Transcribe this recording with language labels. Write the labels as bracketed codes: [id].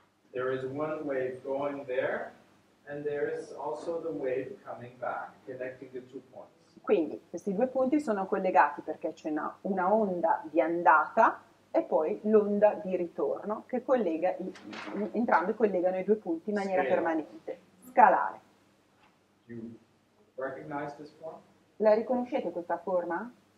[en] There is one wave going there, and there is also the wave coming back, connecting the two points. [it] Quindi questi due punti sono collegati perché c'è una onda di andata e poi l'onda di ritorno che collega, entrambi collegano i due punti in maniera [en] scale. [it] Permanente, scalare. [en] You recognize this form? [it] La riconoscete questa forma?